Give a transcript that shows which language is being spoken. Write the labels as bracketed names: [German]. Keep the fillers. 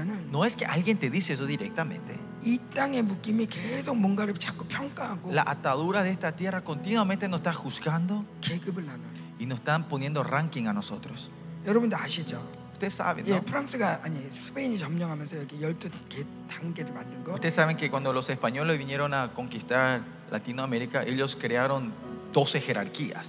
[Spanish] no es que alguien te dice eso directamente. [Korean] 이 땅의 묶임이 계속 뭔가를 자꾸 평가하고 [Spanish] La atadura de esta tierra continuamente nos está juzgando. [Korean] 계급을 나눠. [Spanish] Y nos están poniendo ranking a nosotros. [Korean] 여러분도 아시죠? [Spanish] Ustedes saben, ¿no? [Korean] 예, 프랑스가 아니 스페인이 점령하면서 이렇게 12개 단계를 만든 거. [Spanish] Ustedes saben que cuando los españoles vinieron a conquistar Latinoamérica, ellos crearon 12 jerarquías.